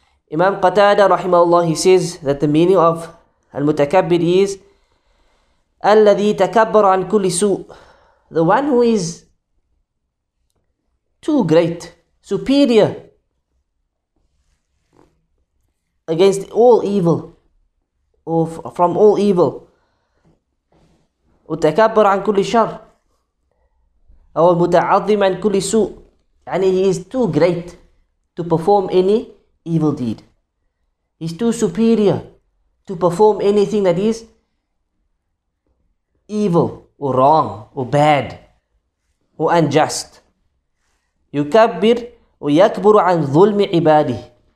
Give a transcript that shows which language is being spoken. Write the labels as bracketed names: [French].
[English] Imam Qatada rahimahullah, he says that the meaning of al-mutakabbir is [Arabic] alladhi takabbara an kulli su', [English] the one who is too great, superior against all evil, or from all evil. [Arabic] وتكبر عن كل شر أو متعظم عن كل سوء. [English] And he is too great to perform any evil deed. He's too superior to perform anything that is evil or wrong or bad or unjust. [Arabic] يكبر ويكبر عن ظلم عباده.